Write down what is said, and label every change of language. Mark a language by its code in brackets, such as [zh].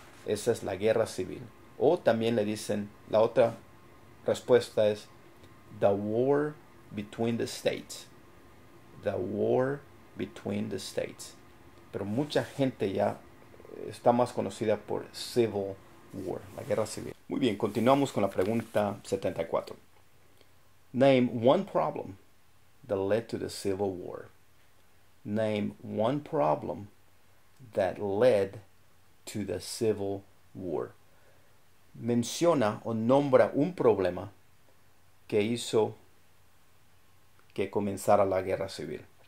[es] Esa es la guerra civil. O también le dicen, la otra respuesta es The War Between the States. [en] The War Between the States. [es] Pero mucha gente ya está más conocida por Civil War, la guerra civil. Muy bien, continuamos con la pregunta 74. [en] Name one problem that led to the Civil War. Name one problem that led to the Civil War. [es] Menciona o nombra un problema que hizo que comenzara la guerra civil.